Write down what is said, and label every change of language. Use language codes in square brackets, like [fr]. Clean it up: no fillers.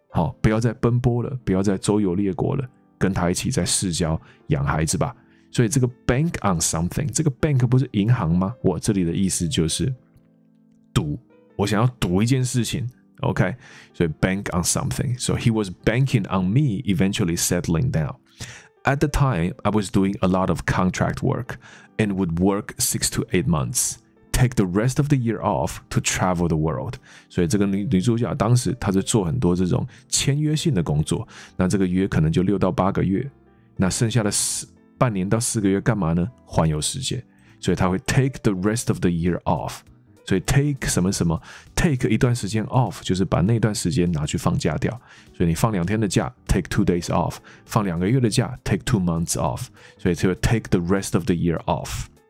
[zh] 好，不要再奔波了，不要再周游列国了，跟他一起在市郊养孩子吧。所以这个 bank on something， 这个 bank 不是银行吗？我这里的意思就是赌，我想要赌一件事情 ，OK？ [en] 所以 bank on something， so he was banking on me eventually settling down. At the time, I was doing a lot of contract work and would work 6 to 8 months. Take the rest of the year off to travel the world. [zh] 所以这个 女主角当时她是做很多这种签约性的工作，那这个约可能就6到8个月，那剩下的半年到4个月干嘛呢？环游世界。所以她会 [en] take the rest of the year off。 [zh] 所以 take 什么什么 take 一段时间 off 就是把那段时间拿去放假掉，所以你放2天的假 take 2 days off， 放2个月的假 take 2 months off， 所以就 take the rest of the year off。